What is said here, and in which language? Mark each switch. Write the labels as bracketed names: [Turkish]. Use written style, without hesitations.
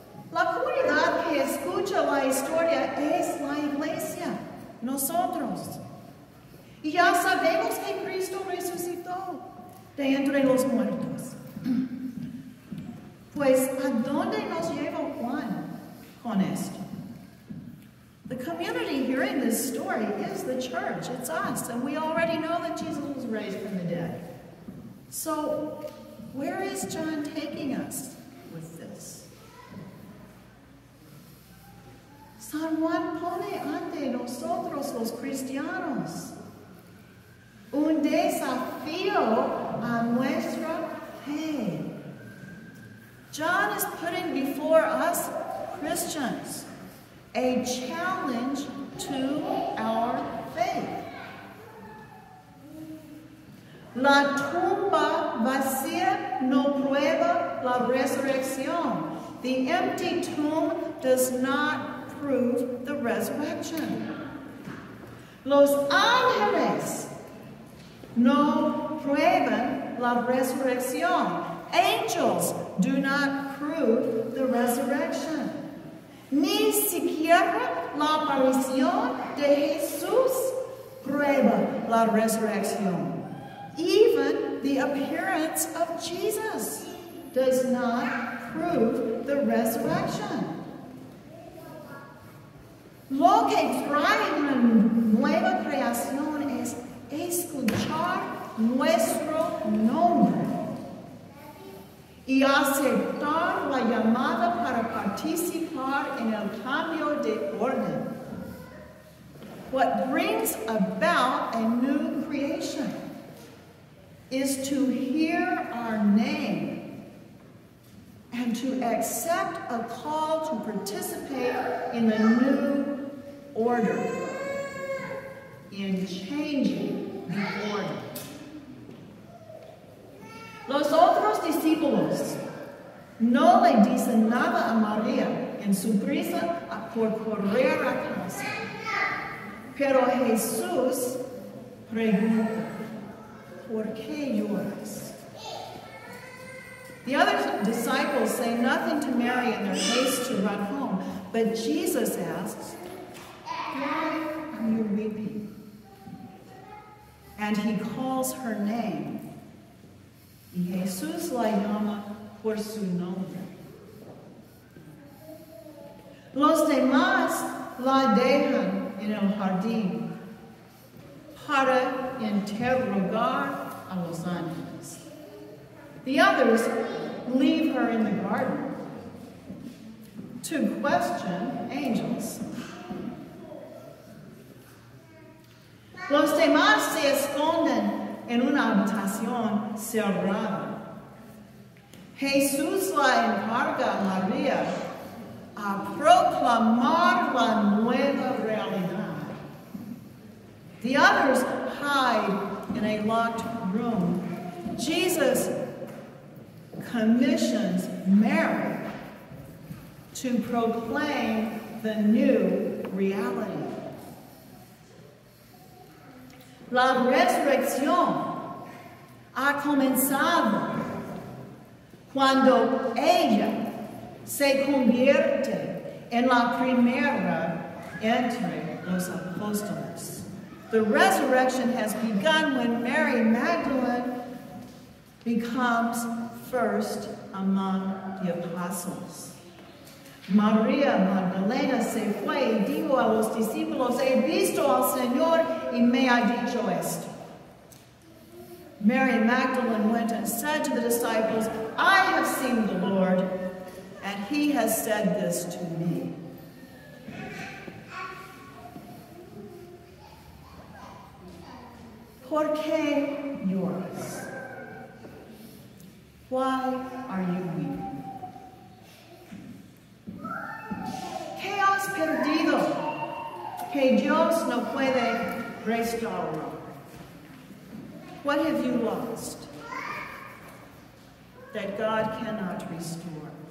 [Spanish] La comunidad que escucha la historia es la iglesia, nosotros. Y ya sabemos que Cristo resucitó de entre los muertos. Pues, ¿a dónde nos lleva Juan con esto? [English] The community hearing this story is the church. It's us, and we already know that Jesus was raised from the dead. So, where is John taking us with this? [Spanish] San Juan pone ante nosotros los cristianos un desafío a nuestra fe. [English] John is putting before us Christians a challenge to our faith. [Spanish] La tumba vacía no prueba la resurrección. [English] The empty tomb does not prove the resurrection. [Spanish] Los ángeles no prueban la resurrección. [English] Angels do not prove the resurrection. [Spanish] Ni siquiera la aparición de Jesús prueba la resurrección. [English] Even the appearance of Jesus does not prove the resurrection. [Spanish] Lo que trae una nueva creación es escuchar nuestro nombre y aceptar la llamada para participar en el cambio de orden. [English] What brings about a new creation is to hear our name and to accept a call to participate in the new order, in changing the order. [Spanish] Los otros discípulos no le dicen nada a María en su prisa por correr a casa. Pero Jesús pregunta, ¿por qué lloras? [English] The other disciples say nothing to Mary in their haste to run home. But Jesus asks, why are you weeping? And he calls her name. [Spanish] Jesús la llama por su nombre. Los demás la dejan en el jardín para interrogar a los ángeles. [English] The others leave her in the garden to question angels. [Spanish] Los demás se esconden en una habitación cerrada. Jesús la encarga a María a proclamar la nueva realidad. [English] The others hide in a locked room. Jesus commissions Mary to proclaim the new reality. [Spanish] La resurrección ha comenzado cuando ella se convierte en la primera entre los apóstoles. [English] The resurrection has begun when Mary Magdalene becomes first among the apostles. [Spanish] María Magdalena se fue y dijo a los discípulos, he visto al Señor y me ha dicho esto. [English] Mary Magdalene went and said to the disciples, I have seen the Lord, and he has said this to me. [Spanish] ¿Por qué lloras? [English] Why are you weeping? [Spanish] ¿Qué has perdido que Dios no puede restaurar? [English] What have you lost that God cannot restore?